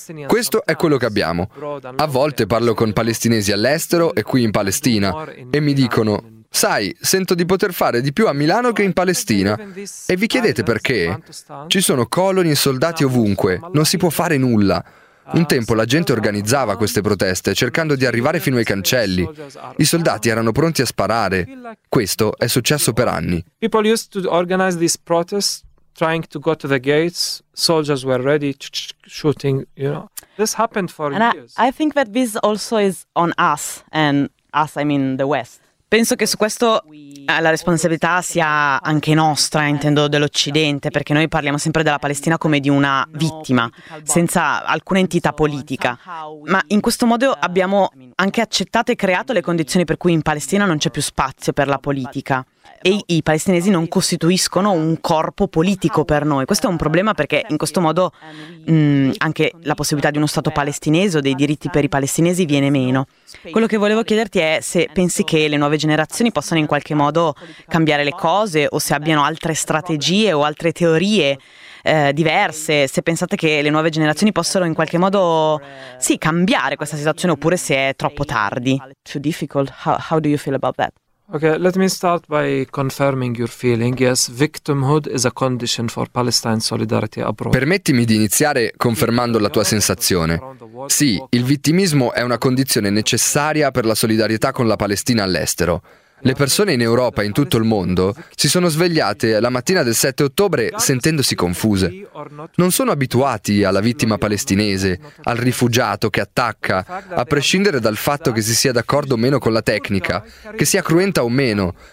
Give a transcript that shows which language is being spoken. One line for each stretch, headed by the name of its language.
Italian: Questo è quello che abbiamo. A volte parlo con palestinesi all'estero e qui in Palestina e mi dicono: sai, sento di poter fare di più a Milano che in Palestina. E vi chiedete perché? Ci sono coloni e soldati ovunque, non si può fare nulla. Un tempo la gente organizzava queste proteste, cercando di arrivare fino ai cancelli. I soldati erano pronti a sparare. Questo è successo per anni.
English: People used to organize these protests trying to go to the gates, soldiers were ready, shooting, you know. This happened for and years. I think that this also is on us, and us I mean the West.
Italian: Penso che su questo la responsabilità sia anche nostra, intendo dell'Occidente, perché noi parliamo sempre della Palestina come di una vittima, senza alcuna entità politica. Ma in questo modo abbiamo anche accettato e creato le condizioni per cui in Palestina non c'è più spazio per la politica. E i palestinesi non costituiscono un corpo politico per noi. Questo è un problema, perché in questo modo anche la possibilità di uno Stato palestinese o dei diritti per i palestinesi viene meno. Quello che volevo chiederti è se pensi che le nuove generazioni possano in qualche modo cambiare le cose, o se abbiano altre strategie o altre teorie diverse, se pensate che le nuove generazioni possano in qualche modo sì cambiare questa situazione, oppure se è troppo tardi.
English: Too difficult. How do you feel about that? Okay, let me start by confirming your feeling. Yes, victimhood is a condition for Palestine solidarity abroad.
Italian: Permettimi di iniziare confermando la tua sensazione. Sì, il vittimismo è una condizione necessaria per la solidarietà con la Palestina all'estero. Le persone in Europa e in tutto il mondo si sono svegliate la mattina del 7 ottobre sentendosi confuse. Non sono abituati alla vittima palestinese, al rifugiato che attacca, a prescindere dal fatto che si sia d'accordo o meno con la tecnica, che sia cruenta o meno.